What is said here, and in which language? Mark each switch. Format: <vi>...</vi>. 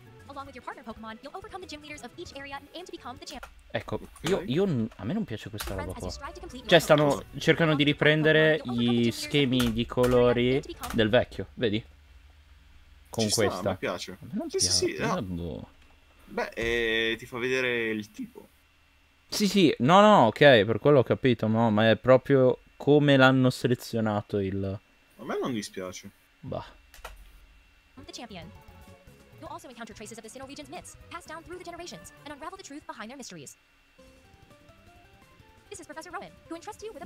<en>along with your partner Pokémon, you'll overcome the gym leaders of each area and aim to become the champ.</en> <it>Ecco, io a me non piace questa roba qua. Cioè cercano di riprendere gli schemi di colori del vecchio, vedi? Con questa. Mi piace. Non piace. Sì, sì, no. Boh. Beh, ti fa vedere il tipo. Sì, sì, no, no, ok, per quello ho capito, no, ma è proprio come l'hanno selezionato il... A me non dispiace.</it> <en>Bah. The champion. You'll also encounter traces of the Sinnoh region's myths, passed down through the generations, and unravel the truth behind their mysteries. This is Professor Rowan, who entrusts you with a...</en>